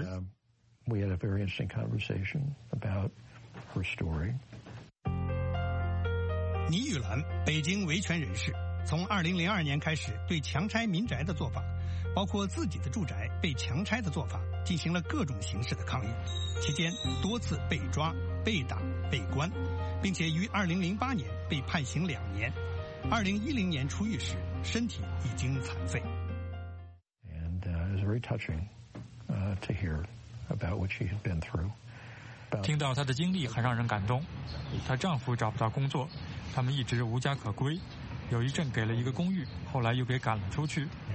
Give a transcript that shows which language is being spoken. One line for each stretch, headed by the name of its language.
Chinese: 倪玉兰，北京维权人士，从2002年开始对强拆民宅的做法，包括自己的住宅被强拆的做法，进行了各种形式的抗议，期间多次被抓、被打、被关，并且于2008年被判刑两年。 2010年出狱时，身体已经残废。
English: And it's very touching to hear about what she had been through.
Chinese: 听到她的经历很让人感动。她丈夫找不到工作，他们一直无家可归，有一阵给了一个公寓，后来又给赶了出去。